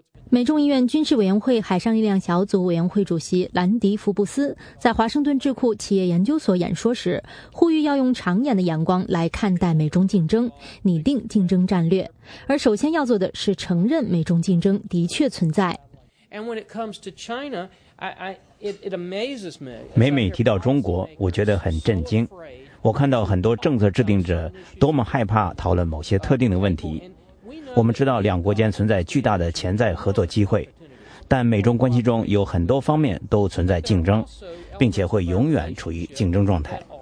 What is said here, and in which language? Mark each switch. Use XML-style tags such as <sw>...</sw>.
<zh>美众议院军事委员会海上力量小组委员会主席兰迪·福布斯在华盛顿智库企业研究所演说时，呼吁要用长远的眼光来看待美中竞争，拟定竞争战略。而首先要做的是承认美中竞争的确存在。</zh> <en>And when it comes to China, it amazes me.</en> <zh>每每提到中国，我觉得很震惊。我看到很多政策制定者多么害怕讨论某些特定的问题。我们知道两国间存在巨大的潜在合作机会，但美中关系中有很多方面都存在竞争，并且会永远处于竞争状态。</zh>